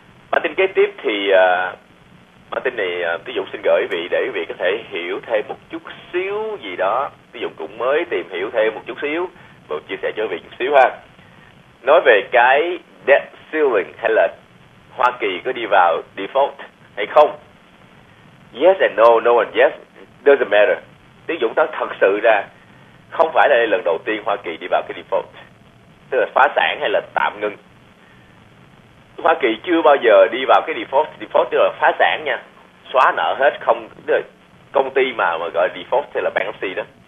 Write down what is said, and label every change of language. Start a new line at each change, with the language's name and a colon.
Vietnamese: Bản tin kế tiếp thì bản tin này Tí Dũng xin gửi vị để vị có thể hiểu thêm một chút xíu gì đó. Tí Dũng cũng mới tìm hiểu thêm một chút xíu và chia sẻ cho vị chút xíu ha. Nói về cái debt ceiling hay là Hoa Kỳ có đi vào default hay không?
English: Yes and no, no and yes, doesn't matter.
Vietnamese: Tí Dũng nói thật sự ra không phải là lần đầu tiên Hoa Kỳ đi vào cái default, tức là phá sản hay là tạm ngưng. Hoa Kỳ chưa bao giờ đi vào cái default. Default tức là phá sản nha, xóa nợ hết, không công ty mà gọi là default thì là bankruptcy đó.